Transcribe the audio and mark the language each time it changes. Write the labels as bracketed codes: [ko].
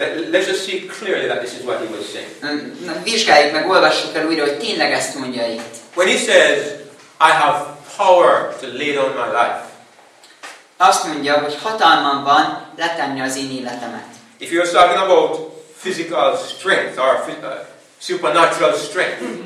[en] Let's just see clearly that this is what he was saying. [hu] Vizsgáljuk meg, olvassuk el újra, hogy tényleg ezt mondja itt. [en] When he says, I have power to lay down my life. [hu] Azt mondja, hogy hatalmam van letenni az én életemet. [en] If you're talking about physical strength or supernatural strength.